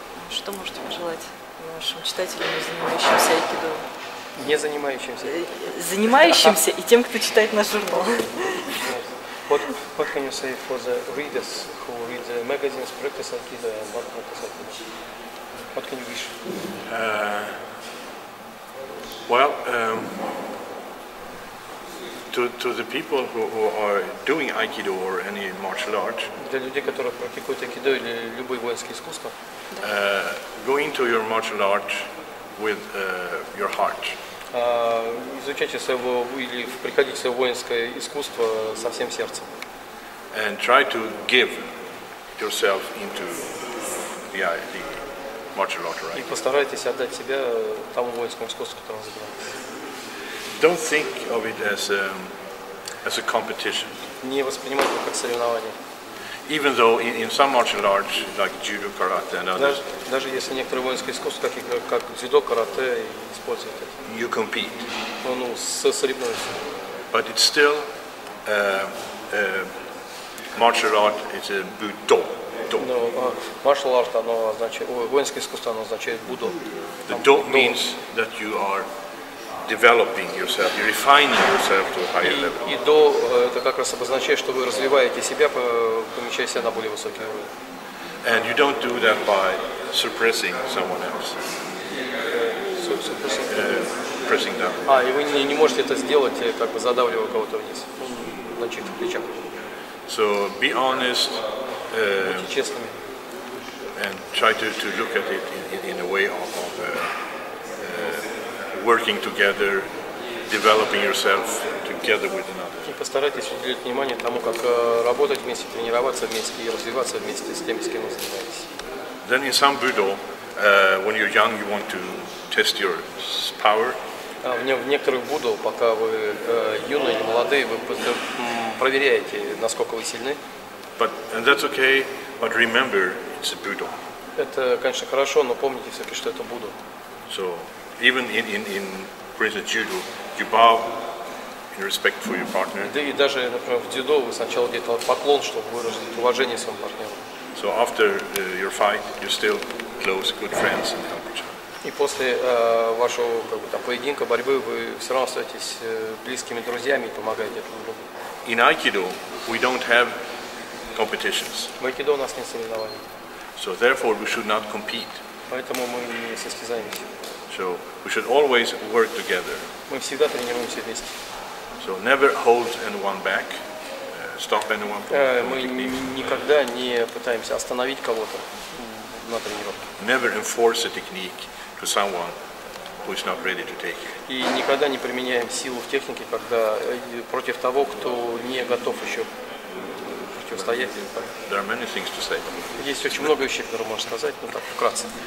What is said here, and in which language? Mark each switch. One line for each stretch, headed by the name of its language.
Russian: Что можете пожелать нашим читателям, занимающимся Aikido? Не занимающимся. Занимающимся и тем, кто читает наш журнал.
English: What can you say for the readers who read the magazines, practice Aikido and not practice Aikido? What can you wish? To the people who are doing Aikido or any martial art.
Russian: Для людей, которые практикуют Aikido или любое воинское искусство.
English: Go into your martial art with your heart.
Russian: Изучайте своего или приходите в свое воинское искусство со всем сердцем.
English: And try to give yourself into the martial art.
Russian: И постарайтесь отдать себя тому воинскому искусству, которое вы знаете.
English: Don't think of it as a competition.
Russian: Не воспринимайте как соревнование.
English: Even though in some martial arts like judo, karate, and others,
Russian: даже если некоторые воинские искусства, как дзюдо, карате, используют это.
English: You compete.
Russian: Ну, соревнуются.
English: But it's still martial art is a budo.
Russian: No,
English: martial art,
Russian: оно означает, воинское искусство, оно означает будо.
English: The do means that you are developing yourself, you're refining yourself to a higher level.
Russian: И до это как раз обозначает, что вы развиваете себя, помещая себя на более высокий уровень.
English: And you don't do that by suppressing someone else. Pressing down.
Russian: И вы не можете это сделать, как бы задавливая кого-то вниз, на чьих плечах.
English: So be honest.
Russian: Будьте честными.
English: And try to look at it in a way of working together, developing yourself together with another.
Russian: И постарайтесь уделить внимание тому, как работать вместе, тренироваться вместе и развиваться вместе с тем, с кем вы занимаетесь.
English: Then in some Budo, when you're young, you want to test your power.
Russian: В некоторых Будо, пока вы юные или молодые, вы проверяете, насколько вы сильны.
English: But and that's okay, but remember, it's a Budo.
Russian: Это, конечно, хорошо, но помните все-таки, что это Будо.
English: So even in for instance, judo, you bow in respect for your partner.
Russian: Да и даже, например, в дзюдо вы сначала где-то поклон, чтобы выразить уважение своему партнеру.
English: So after your fight, you're still close, good friends and help each other.
Russian: И после вашего как бы там поединка, борьбы, вы все равно остаетесь близкими друзьями и помогаете друг другу.
English: In Aikido, we don't have competitions.
Russian: В Aikido у нас нет соревнований.
English: So therefore, we should not compete.
Russian: Поэтому мы не состязаемся.
English: So we should always work together.
Russian: Мы всегда тренируемся вместе.
English: So never hold anyone back, stop anyone from
Russian: Мы никогда не пытаемся остановить кого-то на тренировке.
English: Never enforce a technique to someone who is not ready to take it.
Russian: И никогда не применяем силу в технике, когда против того, кто не готов еще противостоять.
English: There are many things to say.
Russian: Есть очень много вещей, которые можно сказать, но так вкратце.